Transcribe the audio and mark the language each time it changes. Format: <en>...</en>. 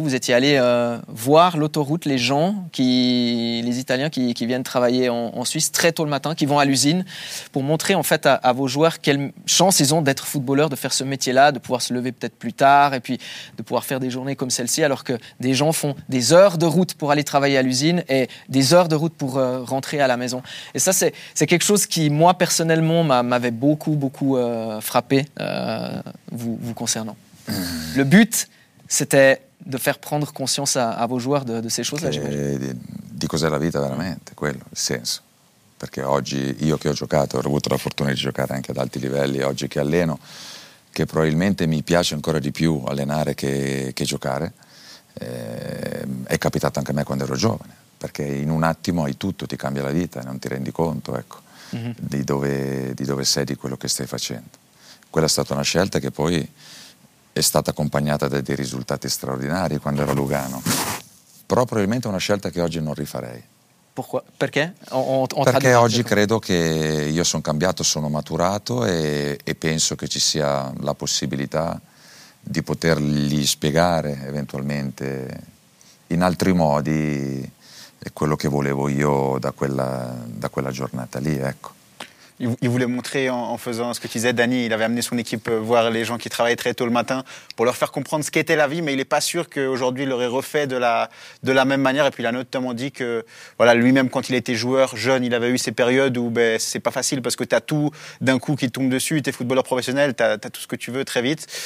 <fr>Vous étiez allé voir l'autoroute, les gens, les Italiens qui viennent travailler en Suisse très tôt le matin, qui vont à l'usine, pour montrer en fait à vos joueurs quelle chance ils ont d'être footballeurs, de faire ce métier-là, de pouvoir se lever peut-être plus tard et puis de pouvoir faire des journées comme celle-ci, alors que des gens font des heures de route pour aller travailler à l'usine et des heures de route pour rentrer à la maison. Et ça, c'est quelque chose qui, moi, personnellement, m'avait beaucoup, beaucoup frappé, vous concernant. Le but... C'était de faire prendre conscience à vos joueurs de ces choses-là, j'imagine.</fr> <it>Di cos'è la vita veramente, quello, il senso. Perché oggi, io che ho giocato, ho avuto la fortuna di giocare anche ad alti livelli, oggi che alleno, che probabilmente mi piace ancora di più allenare che giocare, è capitato anche a me quando ero giovane. Perché in un attimo hai tutto, ti cambia la vita, non ti rendi conto, ecco, di dove sei, di quello che stai facendo. Quella è stata una scelta che poi... è stata accompagnata da dei risultati straordinari quando ero a Lugano. Però probabilmente è una scelta che oggi non rifarei. Perché? Perché? Perché oggi credo che io sono cambiato, sono maturato e penso che ci sia la possibilità di potergli spiegare eventualmente in altri modi quello che volevo io da quella giornata lì, ecco.</it> <fr>il voulait montrer en faisant ce que tu disais, Dani, il avait amené son équipe voir les gens qui travaillent très tôt le matin pour leur faire comprendre ce qu'était la vie, mais il n'est pas sûr qu'aujourd'hui il l'aurait refait de la même manière. Et puis il a notamment dit que voilà, lui-même, quand il était joueur jeune, il avait eu ces périodes où ben, c'est pas facile parce que tu as tout d'un coup qui tombe dessus, tu es footballeur professionnel, tu as tout ce que tu veux très vite.</fr>